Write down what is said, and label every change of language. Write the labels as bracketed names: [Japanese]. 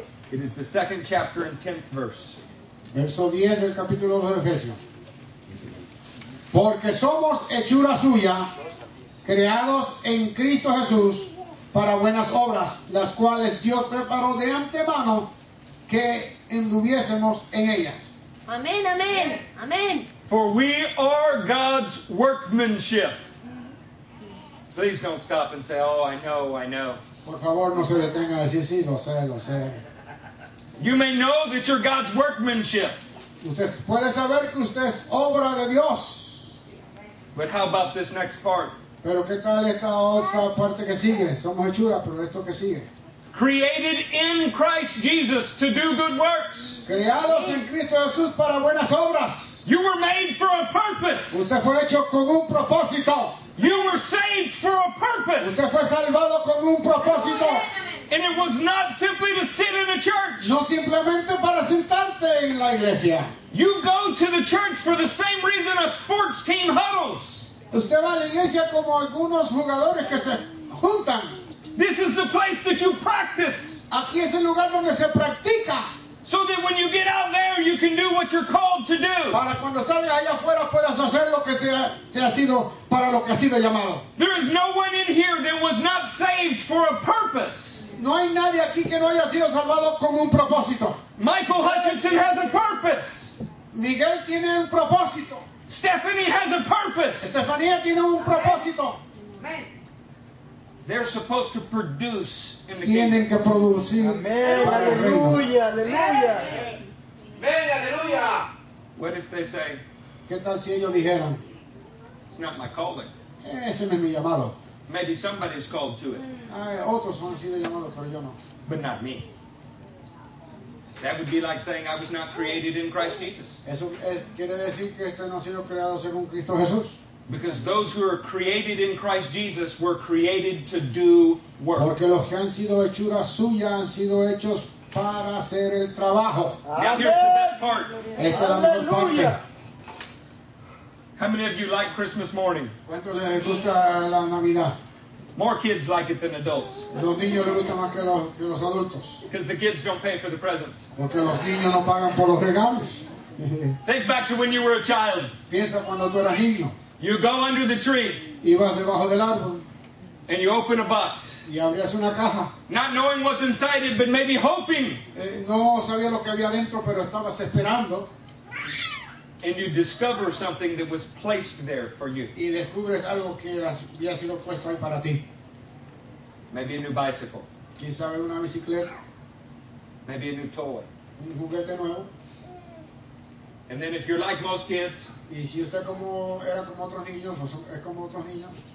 [English] It is the second chapter and 10th verse. [Spanish] Verso 10 del capítulo 2 de Efesios. Porque somos hechura suya, creados en Cristo Jesús para buenas obras, las cuales Dios preparó de antemano que anduviésemos en ellas. Amén, amén, amén. [English] For we are God's workmanship. Please don't stop and say, oh, I know, I know. [Spanish] Por favor, no se detenga a decir, sí, lo sé, lo sé. [English] You may know that you're God's workmanship. [Spanish] Usted puede saber que usted es obra de Dios. [English] But how about this next part? [Spanish] Pero qué tal esta otra parte que sigue? Somos hechura, pero esto que sigue. [English] Created in Christ Jesus to do good works. [Spanish] Creados en Cristo Jesús para buenas obras. [English] You were made for a purpose. [Spanish] Usted fue hecho con un propósito. [English] You were saved for a purpose. [Spanish] Usted fue salvado con un propósito. [English] And it was not simply to sit in a church. [Spanish] No simplemente para sentarte en la iglesia. [English] You go to the church for the same reason a sports team huddles. [Spanish] Usted va a la iglesia como algunos jugadores que se juntan. [English] This is the place that you practice. [Spanish] Aquí es el lugar donde se practica. [English] So that when you get out there, you can do what you're called to do. [Spanish] Para cuando salgas allá afuera puedas hacer lo que te ha sido para lo que ha sido llamado. [English] There is no one in here that was not saved for a purpose. [Spanish] No hay nadie aquí que no haya sido salvado con un propósito. [English] Michael Hutchinson has a purpose. [Spanish] Miguel tiene un propósito. [English] Stephanie has a purpose. [Spanish] Estefanía tiene un propósito. [English] They're supposed to produce in the [Spanish] kingdom. Tienen que producir. Amen. Aleluya, aleluya. Amen. Aleluya. [English] What if they say? [Spanish] ¿Qué tal si ellos dijeran? [English] It's not my calling. [Spanish] Ese no es mi llamado. [English] Maybe somebody's called to it. [Spanish] Otros han sido llamados, pero yo no. [English] But not me. That would be like saying I was not created in Christ Jesus. [Spanish] Eso quiere decir que este no ha sido creado según Cristo Jesús. [English] Because those who are created in Christ Jesus were created to do work. [Spanish] Porque los que han sido hechura suya han sido hechos para hacer el trabajo. [English] Amen. Now here's the best part. [Spanish] Esta es la mejor parte. [English] How many of you like Christmas morning? [Spanish] ¿Cuánto les gusta la Navidad? [English] More kids like it than adults. [Spanish] Los niños les gusta más que los adultos. [English] Because the kids don't pay for the presents. [Spanish] Porque los niños no pagan por los regalos. [English] Think back to when you were a child. [Spanish] Piensa cuando tú eras niño. [English] You go under the tree. [Spanish] Ibas debajo del árbol. [English] And you open a box. [Spanish] Y abrías una caja. [English] Not knowing what's inside it, but maybe hoping. [Spanish] No sabía lo que había dentro, pero estabas esperando. [English] And you discover something that was placed there for you. [Spanish] Y descubres algo que había sido puesto ahí para ti. [English] Maybe a new bicycle. [Spanish] ¿Quién sabe una bicicleta? [English] Maybe a new toy. [Spanish] Un juguete nuevo. [English] And then if you're like most kids, [Spanish] y si usted como, era como otros niños, es como otros niños,